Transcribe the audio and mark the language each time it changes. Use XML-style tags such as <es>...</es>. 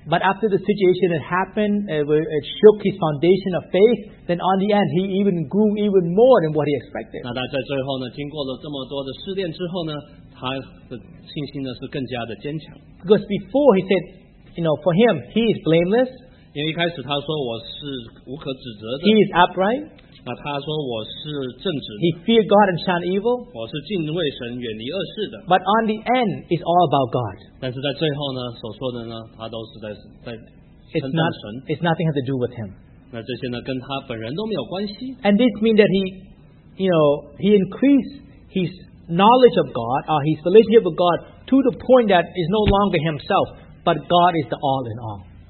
<en>But after the situation had happened, it shook his foundation of faith. Then on the end, he even grew even more than what he expected.</en> <zh>那他在最后呢，经过了这么多的试炼之后呢，他的信心呢是更加的坚强。</zh> <en>Because before he said, you know, for him, he is blameless.</en> <zh>因为一开始他说我是无可指责的。</zh> <en>He is upright.</en> <zh>那他说我是正直的,</zh> <en>he feared God and shunned evil.</en> <zh>我是敬畏神远离恶事的,</zh> <en>but on the end, it's all about God.</en> <zh>但是在最后呢，所说的呢，他都是在称赞神,</zh> <en>it's nothing has to do with him.</en> <zh>那这些呢，跟他本人都没有关系。</zh> <en>And this means that he, you know, he increased his knowledge of God, or his relationship with God, to the point that it's no longer himself, but God is the all in all.</en>